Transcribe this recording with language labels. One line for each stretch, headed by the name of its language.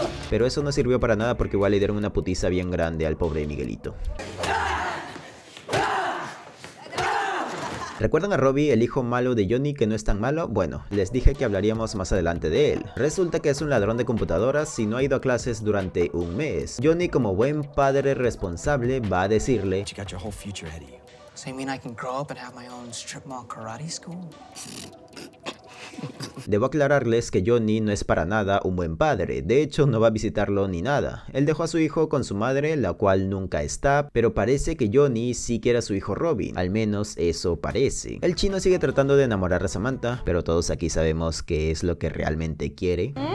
Spanish: Pero eso no sirvió para nada porque igual le dieron una putiza bien grande al pobre Miguelito. ¿Recuerdan a Robbie, el hijo malo de Johnny, que no es tan malo? Bueno, les dije que hablaríamos más adelante de él. Resulta que es un ladrón de computadoras y no ha ido a clases durante un mes. Johnny, como buen padre responsable, va a decirle:
English: "You got your whole future ahead of you. Does that mean I can grow up and have my own strip mall karate school?"
Spanish: Debo aclararles que Johnny no es para nada un buen padre, de hecho no va a visitarlo ni nada. Él dejó a su hijo con su madre, la cual nunca está, pero parece que Johnny sí quiere a su hijo Robin, al menos eso parece. El chino sigue tratando de enamorar a Samantha, pero todos aquí sabemos qué es lo que realmente quiere.